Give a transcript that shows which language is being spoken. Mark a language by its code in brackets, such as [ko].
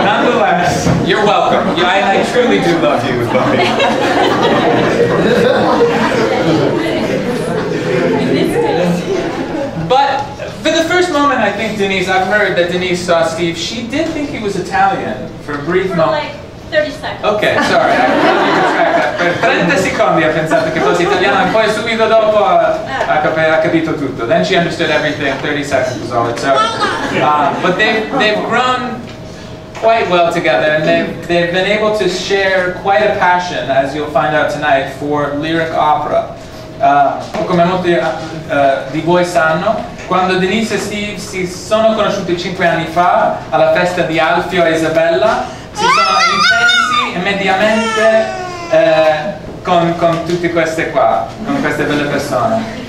[en] Nonetheless, you're welcome. Yeah, I truly do love you, Bobby. But for the first moment, I think Denise, I've heard that Denise saw Steve. She did think he was Italian for a brief moment. Like 30 seconds. [it] Ok, sorry, per 30 secondi ha pensato che fosse italiano e poi subito dopo ha capito tutto. [en] Then she understood everything, 30 seconds was all it. So, but they've grown quite well together, and they've been able to share quite a passion, as you'll find out tonight, for lyric opera. [it] Come molti di voi sanno, quando Denise e Steve si sono conosciuti 5 anni fa alla festa di Alfio e Isabella, si sono intensi immediatamente con tutte queste qua, con queste belle persone.